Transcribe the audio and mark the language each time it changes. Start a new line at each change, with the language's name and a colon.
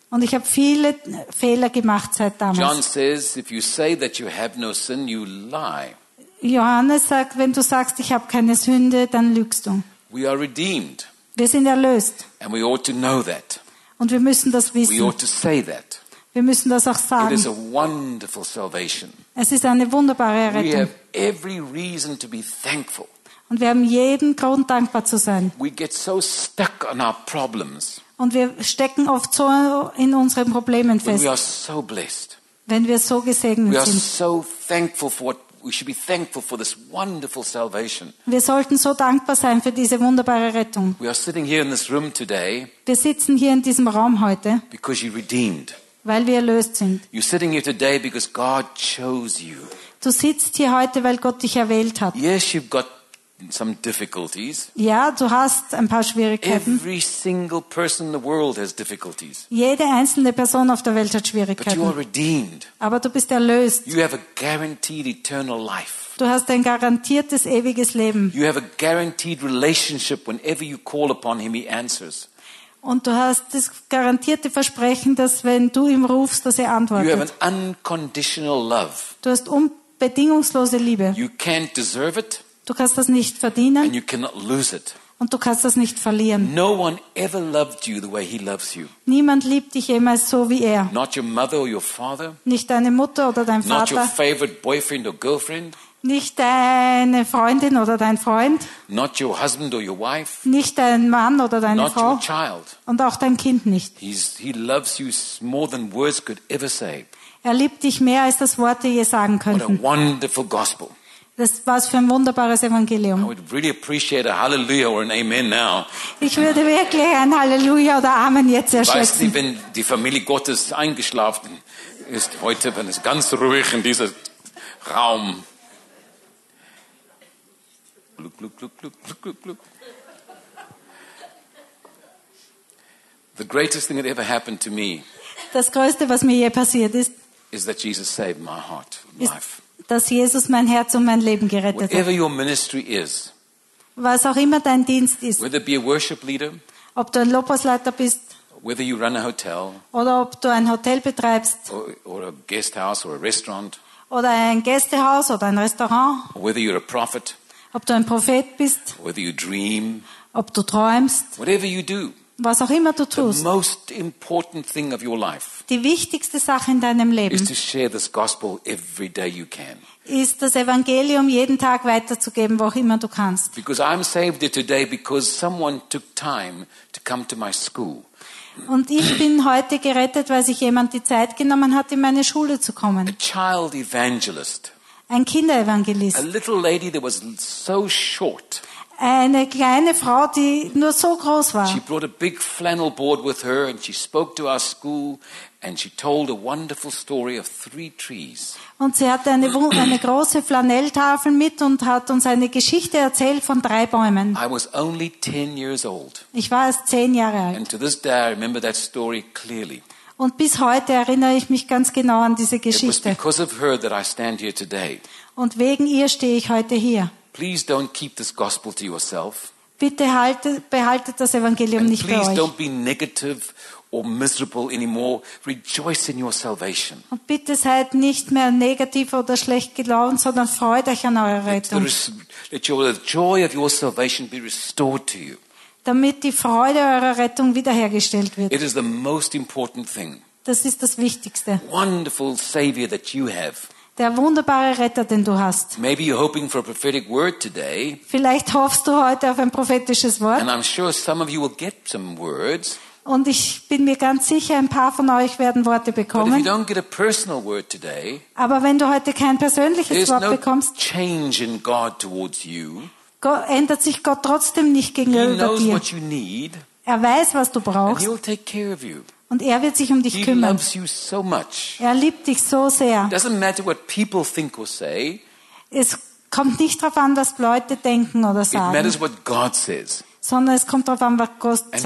German: Und ich habe viele Fehler gemacht seit damals.
English: John says, if you say that you have no sin, you lie.
German: Johannes sagt, wenn du sagst, ich habe keine Sünde, dann lügst du.
English: We are redeemed.
German: Wir sind erlöst.
English: And we ought to know that.
German: Und wir müssen das wissen.
English: We ought to say that.
German: Wir müssen das auch sagen.
English: It is a wonderful salvation.
German: Es ist eine wunderbare Errettung.
English: We have every reason to be thankful.
German: Und wir haben jeden Grund, dankbar zu sein.
English: We get so stuck on our problems.
German: Und wir stecken oft so in unseren Problemen fest.
English: When we are so blessed.
German: Wenn wir so gesegnet
English: we
German: sind.
English: We are so thankful for what we should be thankful for this wonderful salvation.
German: Wir sollten so dankbar sein für diese wunderbare Rettung.
English: We are sitting here in this room today.
German: Wir sitzen hier in diesem Raum heute.
English: Because you redeemed.
German: Weil wir erlöst sind.
English: You're sitting here today because God chose you.
German: Du sitzt hier heute, weil Gott dich erwählt hat.
English: Yes, you've got some difficulties.
German: Ja, du hast ein paar Schwierigkeiten.
English: Every single person in the world has difficulties.
German: Jede einzelne Person auf der Welt hat Schwierigkeiten.
English: But you are redeemed.
German: Aber du bist erlöst.
English: You have a guaranteed eternal life.
German: Du hast ein garantiertes ewiges Leben.
English: You have a guaranteed relationship whenever you call upon him, he answers.
German: Und du hast das garantierte Versprechen, dass wenn du ihm rufst, dass er antwortet.
English: You have an unconditional love.
German: Du hast unbedingungslose Liebe.
English: You can't deserve it.
German: Du kannst das nicht verdienen.
English: And you cannot lose it.
German: Und du kannst das nicht verlieren.
English: No one ever loved you the way he loves you.
German: Niemand liebt dich jemals so wie er.
English: Not your mother or your father.
German: Nicht deine Mutter oder dein Vater.
English: Not your favorite boyfriend or girlfriend.
German: Nicht deine Freundin oder dein Freund.
English: Not your husband or your wife.
German: Nicht dein Mann oder deine
English: Not
German: Frau.
English: Your child.
German: Und auch dein Kind nicht.
English: He loves you more than words could ever say.
German: Er liebt dich mehr, als das Worte je sagen könnten.
English: What a wonderful gospel.
German: Das war's für ein wunderbares Evangelium.
English: I would really appreciate a hallelujah or an amen now.
German: Ich würde wirklich ein Halleluja oder Amen jetzt erschöpfen. Weißt du, wenn die Familie Gottes eingeschlafen ist heute, wenn es ganz ruhig in diesem Raum. Gluck, gluck, gluck, gluck, gluck, gluck.
English: The greatest thing that ever happened to me.
German: Das Größte, was mir je passiert ist.
English: Is that Jesus saved my heart, life.
German: Dass Jesus mein Herz und mein Leben gerettet hat.
English: Whatever your ministry is,
German: was auch immer dein Dienst ist,
English: whether be a worship leader,
German: ob du ein Lobpreisleiter bist,
English: whether you run a hotel,
German: oder ob du ein Hotel betreibst,
English: or a guest house or a restaurant,
German: oder ein Gästehaus oder ein Restaurant,
English: or whether you're a prophet,
German: ob du ein Prophet bist,
English: whether you dream,
German: ob du träumst,
English: whatever you do,
German: was auch immer du tust,
English: the most important thing of your life.
German: Die wichtigste Sache in deinem Leben
English: is to share this gospel every day you can.
German: Ist das Evangelium jeden Tag weiterzugeben, wo auch immer du kannst.
English: Because I'm saved today because someone took time to come to my school.
German: Und ich bin heute gerettet, weil sich jemand die Zeit genommen hat, in meine Schule zu kommen.
English: A child evangelist.
German: Ein Kinderevangelist.
English: A little lady that was so short.
German: Eine kleine Frau, die nur so groß war.
English: She brought a big flannel board with her and she spoke to our school and she told a wonderful story of three trees.
German: Und sie hatte eine große Flanelltafel mit und hat uns eine Geschichte erzählt von drei Bäumen.
English: I was only 10 years old.
German: Ich war erst 10 Jahre alt.
English: And to this day I remember that story clearly.
German: Und bis heute erinnere ich mich ganz genau an diese Geschichte.
English: It was because of her that I stand here today.
German: Und wegen ihr stehe ich heute hier.
English: Please don't keep this gospel to yourself.
German: Bitte behaltet das Evangelium
English: and
German: nicht
English: please
German: für euch.
English: Don't be negative or miserable anymore. Rejoice in your salvation.
German: Und bitte seid nicht mehr negativ oder schlecht gelaunt, sondern freut euch an eurer Rettung.
English: Let the joy of your salvation be restored to you.
German: Damit die Freude eurer Rettung wiederhergestellt wird.
English: It is the most important thing.
German: Das ist das Wichtigste.
English: Wonderful Savior that you have.
German: Der wunderbare Retter, den du hast.
English: Maybe you're hoping for a prophetic word today.
German: Vielleicht hoffst du heute auf ein prophetisches Wort.
English: And I'm sure some of you will get some words.
German: Und ich bin mir ganz sicher, ein paar von euch werden Worte bekommen.
English: But if you don't get a personal word today,
German: aber wenn du heute kein persönliches
English: there's
German: Wort
English: no
German: bekommst,
English: change in God towards you.
German: Ändert sich Gott trotzdem nicht gegenüber
English: he knows
German: dir.
English: What you need,
German: er weiß, was du brauchst.
English: And he'll take care of you.
German: Und er wird sich um dich
English: he
German: kümmern.
English: Loves you so much.
German: Er liebt dich so sehr.
English: It doesn't matter what people think or say.
German: Es kommt nicht darauf an, was Leute denken oder sagen.
English: It matters what God says.
German: Sondern es kommt darauf an, was Gott sagt.